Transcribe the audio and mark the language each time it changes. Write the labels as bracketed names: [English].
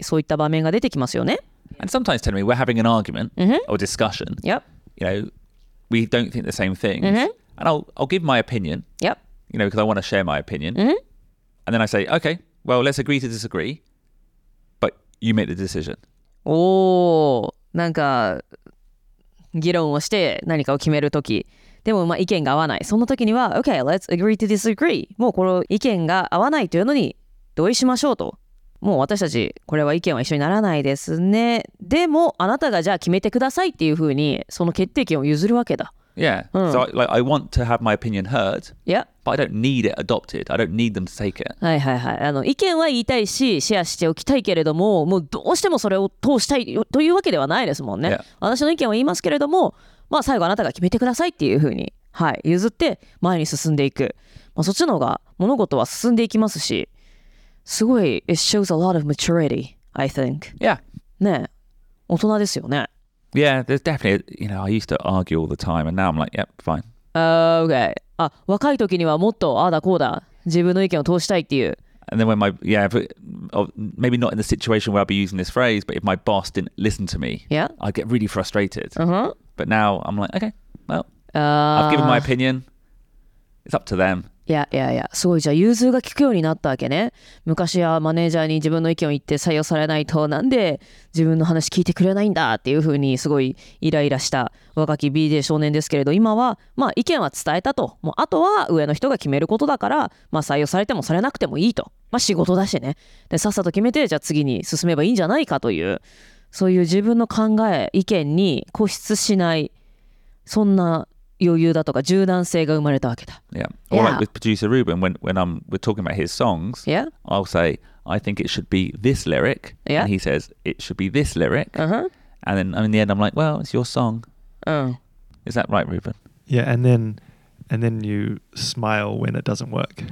[Japanese] そういった場面が出てきますよね。 [English] And sometimes, tell me, we're having an argument or discussion. Yep. You know, we don't think the same things. Mm-hmm. And I'll give my opinion. Yep. You know, because I want to share my opinion. Mm-hmm. And then I say, okay, well, let's agree to disagree, but you make the decision. [Japanese] Oh, なんか議論をして何かを決めるとき、でもまあ意見が合わない。そのときには、 [English] okay, let's agree to disagree. [Japanese] もうこの意見が合わないというのに同意しましょうと。もう私たちこれは意見は一緒にならないですね。でもあなたがじゃあ決めてくださいっていうふうにその決定権を譲るわけだ。 [English] Yeah,、うん、so I want to have my opinion heard,、 yeah. but I don't need it adopted. I don't need them to take it. [Japanese] はいはいはい。あの、意見は言いたいし、シェアしておきたいけれども、もうどうしてもそれを通したいというわけではないですもんね。 [English] Yeah. [Japanese] 私の意見は言いますけれども、まあ最後あなたが決めてくださいっていうふうに、はい、譲って前に進んでいく。まあそっちの方が物事は進んでいきますし、すごい、 [English] it shows a lot of maturity, I think. Yeah. [Japanese] ね、大人ですよね。 [English] Yeah, there's definitely, you know, I used to argue all the time, and now I'm like, yep, fine. Okay. [Japanese] あ、若い時にはもっとああだこうだ、自分の意見を通したいっていう。 [English] And then when my, yeah, if it, maybe not in the situation where I'd be using this phrase, but if my boss didn't listen to me, yeah, I'd get really frustrated. Uh-huh. But now I'm like, okay, well, I've given my opinion. It's up to them. Yeah, yeah, yeah. [Japanese] すごい、じゃあ融通が効くようになったわけね。昔はマネージャーに自分の意見を言って採用されないと、なんで自分の話聞いてくれないんだっていうふうにすごいイライラした若き BJ 少年ですけれど、今はまあ意見は伝えたと、もうあとは上の人が決めることだから、まあ採用されてもされなくてもいいと、まあ仕事だしね。でさっさと決めて、じゃあ次に進めばいいんじゃないかという、そういう自分の考え意見に固執しない、そんな余裕だとか柔軟性が生まれたわけだ。 [English] Yeah. Or like with producer Ruben, when I'm we're talking about his songs, yeah. I'll say, I think it should be this lyric. Yeah. And he says, it should be this lyric. Uh-huh. And then in the end, I'm like, well, it's your song. Oh. Is that right, Ruben? Yeah. And then you smile when it doesn't work.